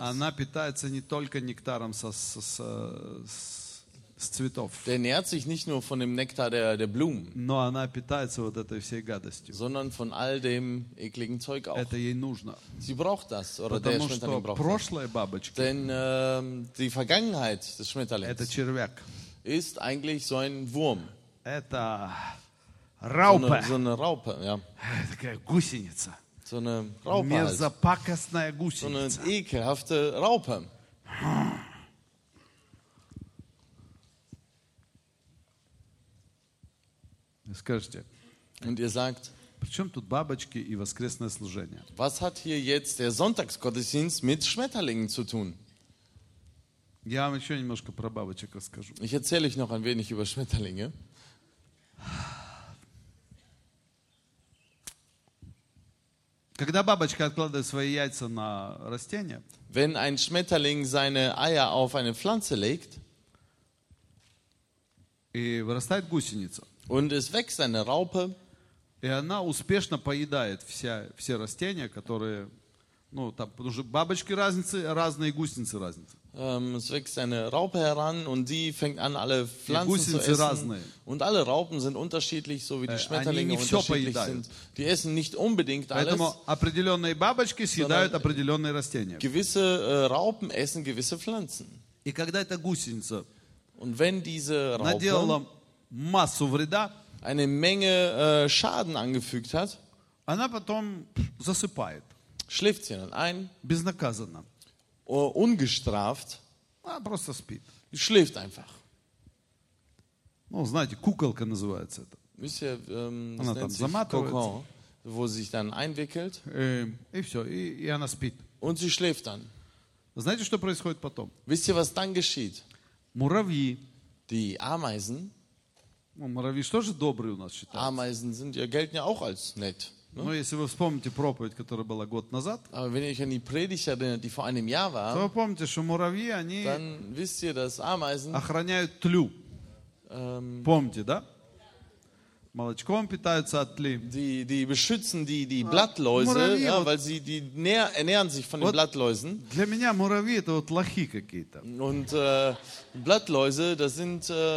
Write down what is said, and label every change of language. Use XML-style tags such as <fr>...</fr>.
<ru>Она питается не только нектаром с цветов.</ru> <de>Der nährt sich nicht nur von dem Nektar der Blumen.</de> <ru>Но она питается вот этой всей гадостью.</ru> <de>Sondern von all dem ekligen Zeug auch.</de> <ru>Это ей нужно.</ru> <de>Sie braucht das, oder der Schmetterling braucht das.</de> <ru>Прошлая бабочка.</ru> <de>Denn die Vergangenheit des Schmetterlings.</de> <ru>Это червяк.</ru> <de>Ist eigentlich so ein Wurm.</de> <ru>Это Raupe.</ru> <de>So eine Raupe, ja.</de> <ru>Такая гусеница.</ru> <de>So eine Raupe.</de> <ru>Мерзопакостная гусеница.</ru> <de>So eine ekelhafte Raupe.</de> <ru>Скажите,</ru> <de>und ihr sagt,</de> <ru>при чем тут бабочки и воскресное служение?</ru> <de>Was hat hier jetzt der Sonntagsgottesdienst mit Schmetterlingen zu tun?</de> <ru>Я вам еще немножко про бабочек расскажу.</ru> <de>Ich erzähle euch noch ein wenig über Schmetterlinge.</de> <ru>Когда бабочка откладывает свои яйца на растение,</ru> <de>wenn ein Schmetterling seine Eier auf eine Pflanze legt,</de> <ru>и вырастает гусеница.</ru> <de>Und es wächst eine Raupe.</de> <ru>И она успешно поедает все растения, которые, ну, там, потому что бабочки разницы, разные гусеницы разницы.</ru> <de>Es wächst eine Raupe heran und die fängt an, alle Pflanzen zu essen. Die Gusseln</de> <ru>разные.</ru> <de>Und alle Raupen sind unterschiedlich, so wie die Schmetterlinge unterschiedlich sind. Die essen nicht unbedingt alles.</de> <ru>Поэтому определенные бабочки съедают определенные растения.</ru> <de>Gewisse Raupen essen gewisse Pflanzen.</de> <ru>И когда эта гусеница наделала массу вреда,</ru> <de>eine Menge Schaden angefügt hat,</de> <ru>она потом засыпает.</ru> <de>Schläft sie dann ein.</de> <ru>Безнаказанно.</ru> <de>Ungestraft.</de> <ru>Она просто спит.</ru> <de>Schläft einfach.</de> <ru>Ну, знаете, куколка называется это.</ru> <de>Wisst ihr,</de> <ru>она там заматывается.</ru> <de>Kokon, wo sich dann einwickelt.</de> <ru>И все, и она спит.</ru> <de>Und sie schläft dann.</de> <ru>Знаете, что происходит потом?</ru> <de>Wisst ihr, was dann geschieht?</de> <ru>Муравьи.</ru> <de>Die Ameisen.</de> <ru>Ну, муравьи тоже добрые у нас считаются.</ru> <de>Ameisen sind ja, gelten ja auch als nett.</de> <ru>Но если вы вспомните проповедь, которая была год назад,</ru> <de>aber wenn ich an die Predigt erinnere, die vor einem Jahr war,</de> <ru>то вы помните, что муравьи, они</ru> <de>dann wisst ihr, dass Ameisen</de> <ru>охраняют тлю. Помните, да? Молочком питаются от тли.</ru> <de>Die beschützen die Blattläuse,</de> <ru>муравьи,</ru> <de>ja, weil sie die ernähren sich von den Blattläusen.</de> <ru>Для меня муравьи это вот лохи какие-то.</ru> <de>Und Blattläuse, das sind</de>